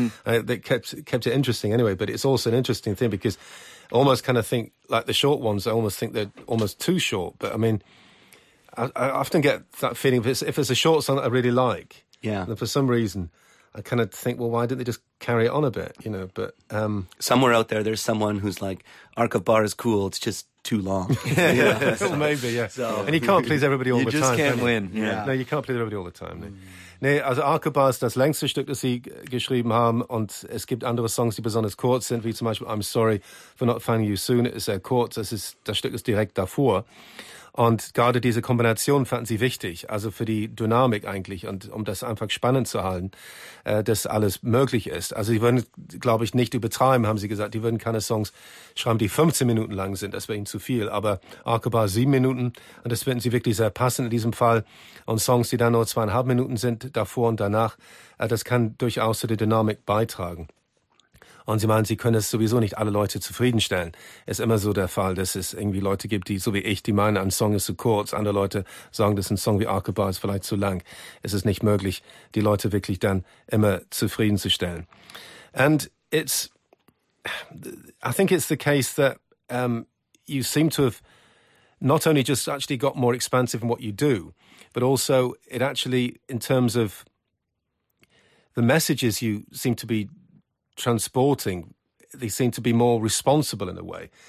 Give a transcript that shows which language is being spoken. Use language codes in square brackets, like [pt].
[en] That kept it interesting anyway, but it's also an interesting thing because I almost kind of think, like the short ones, I almost think they're almost too short. But I mean, I often get that feeling if it's a short song that I really like, Yeah. And for some reason, I kind of think, well, why didn't they just carry it on a bit, you know? But somewhere out there, there's someone who's like, Ark of Bar is cool, it's just too long. Yeah, yeah. So, maybe, yeah. So. And you can't please everybody all you the time. You just can't win. Yeah. No, you can't please everybody all the time. Mm. [de] Nee, also Ark of Bar ist das längste Stück, das sie geschrieben haben. Und es gibt andere Songs, die besonders kurz sind, wie zum Beispiel I'm Sorry for Not Finding You Soon. Es ist sehr kurz, es ist, das Stück ist direkt davor. Und gerade diese Kombination fanden sie wichtig, also für die Dynamik eigentlich und um das einfach spannend zu halten, dass alles möglich ist. Also sie würden, glaube ich, nicht übertreiben, haben sie gesagt. Die würden keine Songs schreiben, die 15 Minuten lang sind, das wäre ihnen zu viel. Aber Ark of Bar 7 Minuten und das finden sie wirklich sehr passend in diesem Fall. Und Songs, die dann nur 2,5 Minuten sind, davor und danach, das kann durchaus zu der Dynamik beitragen. Und sie meinen, sie können es sowieso nicht alle Leute zufriedenstellen. Ist immer so der Fall, dass es irgendwie Leute gibt, die, so wie ich, die meinen, ein Song ist zu kurz. Andere Leute sagen, dass ein Song wie Ark of Bar ist vielleicht zu lang. Es ist nicht möglich, die Leute wirklich dann immer zufriedenzustellen. [en] And it's, I think it's the case that you seem to have not only just actually got more expansive in what you do, but also it actually, in terms of the messages you seem to be transporting, they seem to be more responsible in a way.